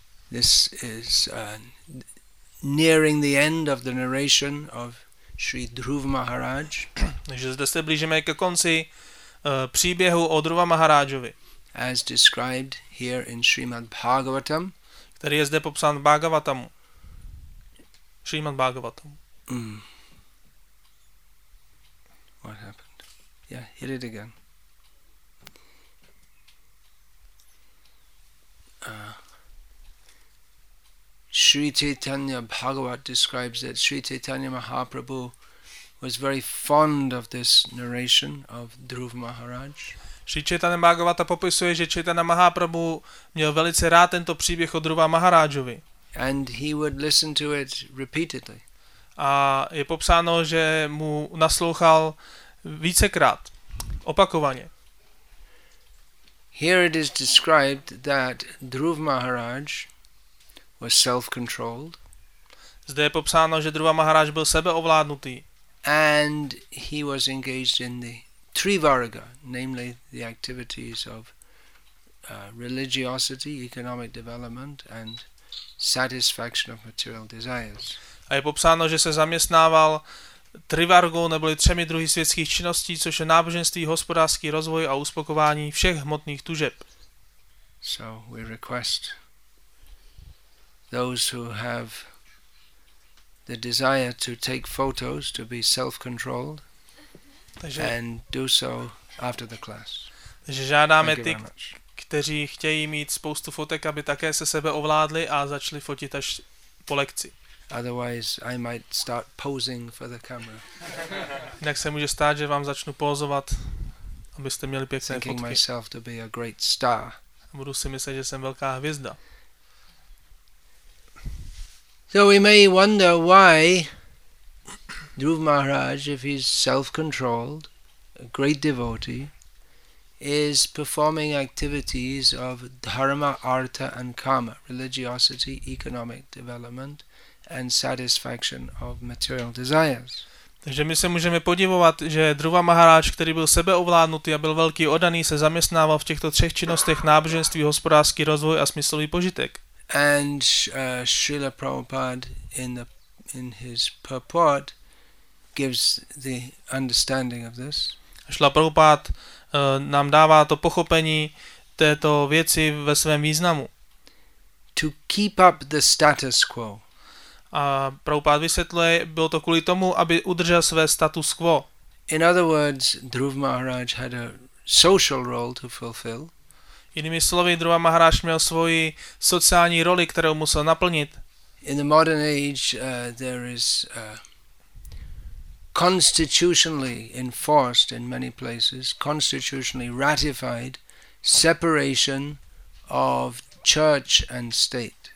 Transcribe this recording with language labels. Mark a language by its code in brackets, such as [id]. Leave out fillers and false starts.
[en] This is nearing the end of the narration of Sri Dhruva Maharaj. [cs] Takže zde se blížíme ke konci příběhu o Dhruva Maharajovi. [en] As described here in Srimad Bhagavatam. [cs] Který je zde popsán v Bhagavatamu. [en] Srimad Bhagavatam. What happened? Yeah, hit it again. Sri Chaitanya Bhagavat describes that Sri Chaitanya Mahaprabhu was very fond of this narration of Dhruva Maharaj. [cs] Sri Chaitanya Bhagavata popisuje, že Chaitanya Mahaprabhu měl velice rád tento příběh o Dhruva Maharajovi. [en] And he would listen to it repeatedly. [cs] A je popsáno, že mu naslouchal vícekrát, opakovaně. [en] Here it is described that Dhruva Maharaj was self-controlled. [cs] Zde je popsáno, že Dhruva Maharaj byl sebeovládnutý. [en] And he was engaged in the trivarga, namely the activities of religiosity, economic development and satisfaction of material desires. [cs] A je popsáno, že se zaměstnával trivargou, neboli třemi druhy světských činností, což je náboženství, hospodářský rozvoj a uspokování všech hmotných tužeb. [en] So we request those who have the desire to take photos to be self-controlled and do so after the class. [cs] Takže žádáme ty, kteří chtějí mít spoustu fotek, aby také se sebe ovládli a začali fotit až po lekci. [en] Otherwise I might start posing for the camera. [cs] Jinak se může stát, že vám začnu pózovat, abyste měli pěkné [en] thinking [cs] fotky. [en] Myself to be a great star. [cs] Budu si myslet, že jsem velká hvězda. [en] So we may wonder why Dhruv Maharaj, if he's self-controlled, a great devotee, is performing activities of dharma, artha and kama, religiosity, economic development and satisfaction of material desires. [cs] Takže my se můžeme podivovat, že Dhruva Maharaj, který byl sebeovládnutý a byl velký oddaný, se zaměstnával v těchto třech činnostech náboženství, hospodářský rozvoj a smyslový požitek. [en] And Srila Prabhupada in his purport gives the understanding of this. [cs] Srila Prabhupada nám dává to pochopení této věci ve svém významu. [en] To keep up the status quo. [cs] A Prabhupada vysvětluje, bylo to kvůli tomu, aby udržel své status quo. [en] In other words, Dhruv Maharaj had a social role to fulfill. [cs] Jinými slovy, Dhruva Maharaj měl svoji sociální roli, kterou musel naplnit. [en] In the modern age, there is constitutionally enforced in many places, constitutionally ratified separation of church and state.